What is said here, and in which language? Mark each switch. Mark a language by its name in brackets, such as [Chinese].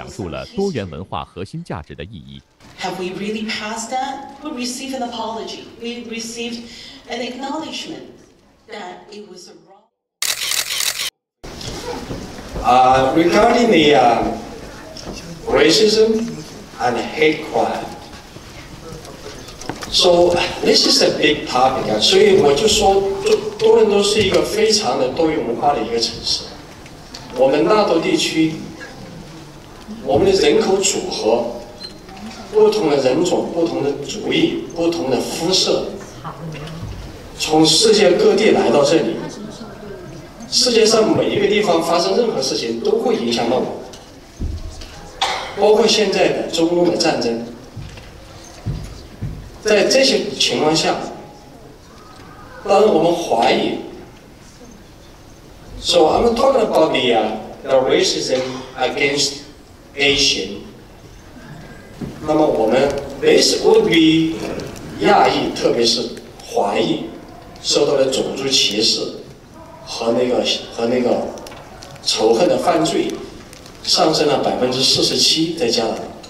[Chinese] 万锦市议员杨启清声情并茂地讲述了多元文化核心价值的意义。 [English] Have we really passed that? We received an apology. We received an acknowledgement that it was a wrong. Regarding the racism and hate crime, So this is a big topic, [Chinese] 所以我就说，多伦多是一个非常的多元文化的一个城市。我们纳豆地区，我们的人口组合，不同的人种、不同的族裔、不同的肤色，从世界各地来到这里，世界上每一个地方发生任何事情都会影响到我，包括现在的中东的战争。在这些情况下，当然我们怀疑。 [English] So I'm talking about the racism against Asian. [Chinese] 那么我们 [English] this would be [Chinese] 亚裔，特别是华裔，受到了种族歧视和那个仇恨的犯罪上升了47%在加拿大。